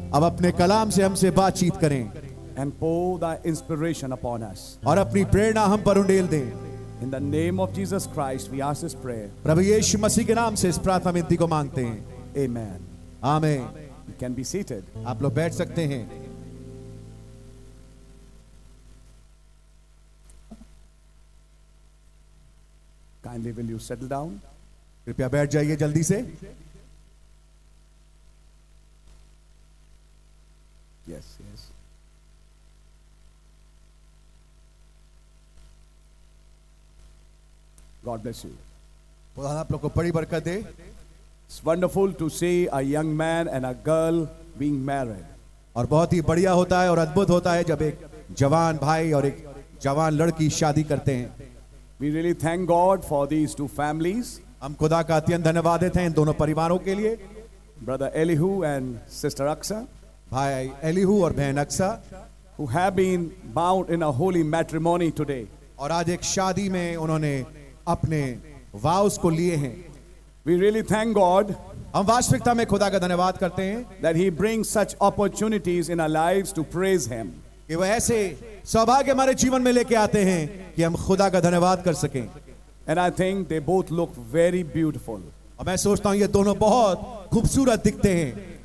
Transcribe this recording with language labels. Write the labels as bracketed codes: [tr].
[hi] अब अपने कलाम से हमसे बातचीत करें। [en] And pour thy inspiration upon us. [hi] और अपनी प्रेरणा हम पर उंडेल दें। [en] In the name of Jesus Christ, we ask this prayer. [hi] प्रभु यीशु मसीह के नाम से इस प्रार्थना विनती को मांगते हैं। [en] Amen. Amen. You can be seated. [hi] आप लोग बैठ सकते हैं। [en] Kindly will you settle down? [hi] कृपया बैठ जाइए जल्दी से। [en] Yes, yes. God bless you. [hi] खुदा आप लोगों को बड़ी बरकत दे। [en] It's wonderful to see a young man and a girl being married. [hi] और बहुत ही बढ़िया होता है और अद्भुत होता है जब एक जवान भाई और एक जवान लड़की शादी करते हैं। [en] We really thank God for these two families. [hi] हम खुदा का अत्यंत धन्यवाद देते हैं दोनों परिवारों के लिए। [en] Brother Elihu and Sister Aksa. [hi] भाई Elihu और बहन Aksa, [en] who have been bound in a holy matrimony today. [hi] और आज एक शादी में उन्होंने अपने vows को लिए हैं। [en] We really thank God. [hi] हम वास्तविकता में खुदा का धन्यवाद करते हैं। [en] That He brings such opportunities in our lives to praise Him. [hi] कि वह ऐसे सौभाग्य हमारे जीवन में लेके आते हैं कि हम खुदा का धन्यवाद कर सकें। [en] And I think they both look very beautiful. [hi] और मैं सोचता हूँ ये दोनों बहुत खूबसूरत दिखते हैं।